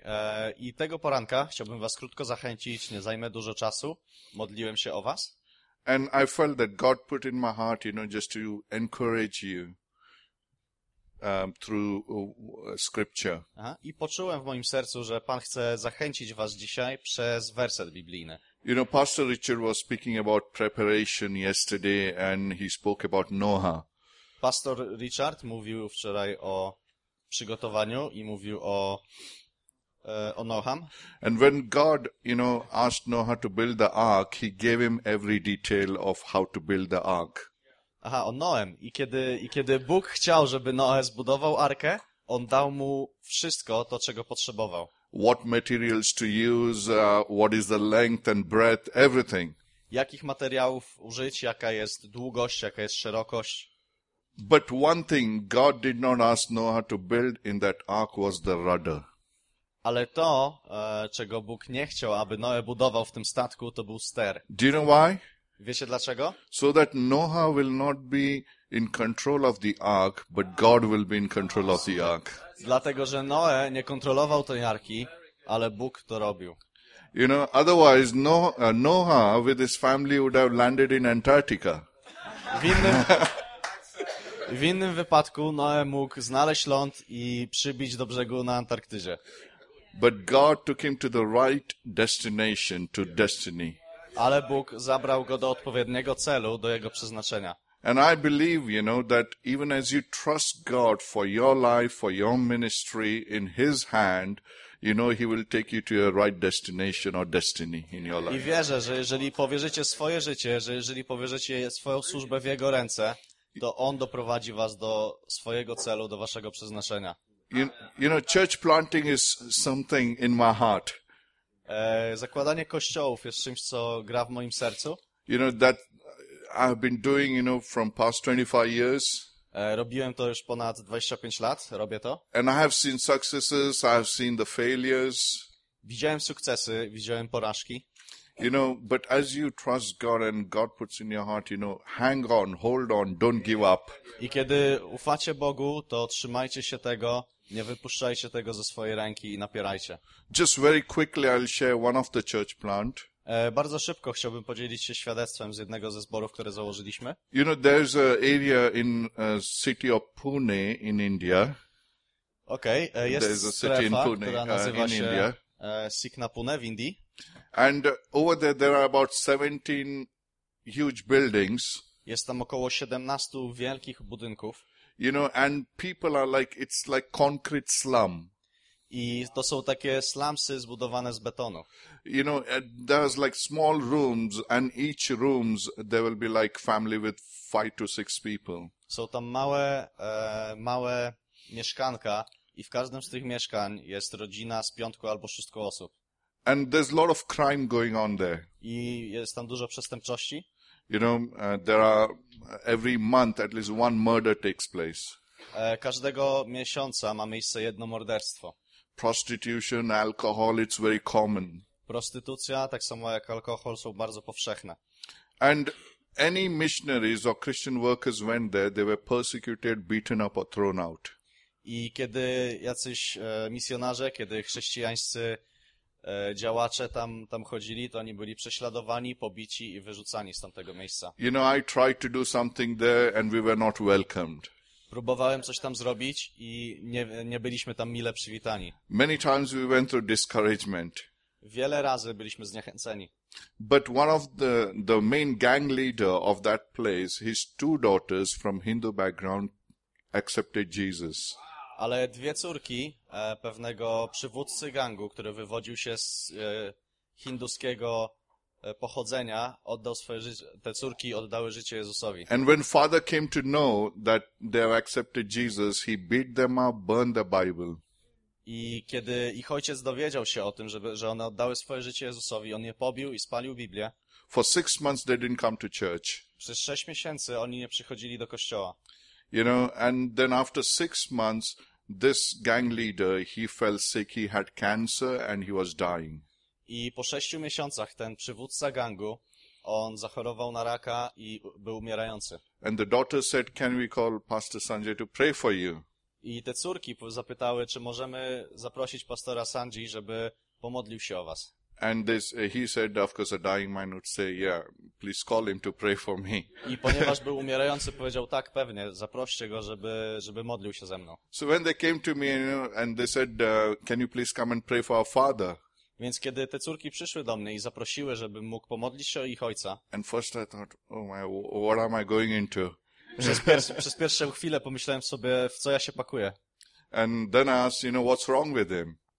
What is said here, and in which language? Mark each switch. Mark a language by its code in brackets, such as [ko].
[pl] Okay. I tego poranka chciałbym was krótko zachęcić, nie zajmę dużo czasu. Modliłem się o was. [en] And I felt that God put in my heart, you know, just to encourage you. Through scripture. [pl] Aha, i poczułem w moim sercu, że Pan chce zachęcić was dzisiaj przez werset biblijny. [en] You know, Pastor Richard was speaking about preparation yesterday and he spoke about Noah. [pl] Pastor Richard mówił wczoraj o przygotowaniu i mówił o Noham. [en] And when God, you know, asked Noah to build the ark, he gave him every detail of how to build the ark. [pl] Aha, o Noem. I kiedy Bóg chciał, żeby Noe zbudował arkę, on dał mu wszystko to, czego potrzebował. [en] What materials to use, what is the length and breadth, everything. [pl] Jakich materiałów użyć, jaka jest długość, jaka jest szerokość. [en] But one thing God did not ask Noah to build in that ark was the rudder. [pl] Ale to, czego Bóg nie chciał, aby Noe budował w tym statku, to był ster. [en] Do you know why? [pl] Wiecie dlaczego? [en] So that Noah will not be in control of the ark, but God will be in control of the ark. [pl] Dlatego, że Noe nie kontrolował tej arki, ale Bóg to robił. [en] You know, otherwise Noah with his family would have landed in Antarctica. [pl] W innym wypadku Noe mógł znaleźć ląd i przybić do brzegu na Antarktydzie. [en] But God took him to the right destination, to destiny. [pl] Ale Bóg zabrał go do odpowiedniego celu, do jego przeznaczenia. [en] And I believe, you know, that even as you trust God for your life, for your ministry in his hand, you know, he will take you to your right destination or destiny in your life. [pl] I wierzę, że jeżeli powierzycie swoje życie, że jeżeli powierzycie swoją służbę w jego ręce, to on doprowadzi was do swojego celu, do waszego przeznaczenia. [en] You know, church planting is something in my heart. [pl] Zakładanie kościołów jest czymś, co gra w moim sercu. [en] You know, that I've been doing, you know, from past 25 years. [pl] Robiłem to już ponad 25 lat, robię to. [en] And I have seen successes, I have seen the failures. [pl] Widziałem sukcesy, widziałem porażki. [en] You know, but as you trust God and God puts in your heart, you know, hang on, hold on, don't give up. [pl] I kiedy ufacie Bogu, to trzymajcie się tego. Nie wypuszczajcie tego ze swojej ręki i napierajcie. [en] Just very quickly I'll share one of the church plant. [pl] Bardzo szybko chciałbym podzielić się świadectwem z jednego ze zborów, które założyliśmy. [en] You know, there's an area in city of Pune in India. [pl] Okej, okay, jest [en] there's a [pl] strefa, [en] city in Pune, [pl] która nazywa [en] in [pl] się India. Siknapune w Indii. [en] And over there are about 17 huge buildings. [pl] Jest tam około 17 wielkich budynków. [en] You know, and people are like, it's like concrete slum. [pl] I to są takie slumsy zbudowane z betonu. [en] You know, there's like small rooms and each rooms there will be like family with 5 to 6 people. [pl] Są tam małe mieszkanka i w każdym z tych mieszkań jest rodzina z 5 albo 6 osób. [en] And there's a lot of crime going on there. [pl] I jest tam dużo przestępczości. [en] You know, there are every month at least one murder takes place. [pl] Każdego miesiąca ma miejsce jedno morderstwo. [en] Prostitution, alcohol, it's very common. [pl] Prostytucja, tak samo jak alkohol, są bardzo powszechne. [en] And any missionaries or Christian workers went there, they were persecuted, beaten up or thrown out. [pl] I kiedy jacyś misjonarze, kiedy chrześcijańscy działacze tam chodzili, to oni byli prześladowani, pobici i wyrzucani z tamtego miejsca. [en] You know, I tried to do something there and we were not welcomed. [pl] Próbowałem coś tam zrobić i nie byliśmy tam mile przywitani. [en] Many times we went through discouragement. [pl] Wiele razy byliśmy zniechęceni. [en] But one of the main gang leader of that place, his two daughters from Hindu background accepted Jesus. [pl] Ale dwie córki pewnego przywódcy gangu, który wywodził się z hinduskiego pochodzenia, oddał swoje życie, te córki oddały życie Jezusowi. [en] And when father came to know that they have accepted Jesus, he beat them up, burned the Bible. [pl] I kiedy ich ojciec dowiedział się o tym, że one oddały swoje życie Jezusowi, on je pobił i spalił Biblię. [en] For 6 months they didn't come to church. [pl] Przez 6 miesięcy oni nie przychodzili do kościoła. [en] You know, and then after 6 months, this gang leader, he fell sick, he had cancer, and he was dying. [pl] I po 6 miesiącach ten przywódca gangu, on zachorował na raka i był umierający. [en] And the daughter said, can we call Pastor Sanjay to pray for you? [pl] I te córki zapytały, czy możemy zaprosić pastora Sanjay, żeby pomodlił się o was. [en] And this, he said, of course, a dying man would say, yeah, please call him to pray for me. [pl] I ponieważ był umierający, powiedział, tak, pewnie, zaproście go, żeby modlił się ze mną. [en] So when they came to me and they said, can you please come and pray for our father? [pl] Więc kiedy te córki przyszły do mnie i zaprosiły, żebym mógł pomodlić się o ich ojca. [en] And first I thought, oh my, what am I going into? [pl] Przez pierwszą chwilę pomyślałem sobie, w co ja się pakuję. [en] And then I asked, you know, what's wrong with him?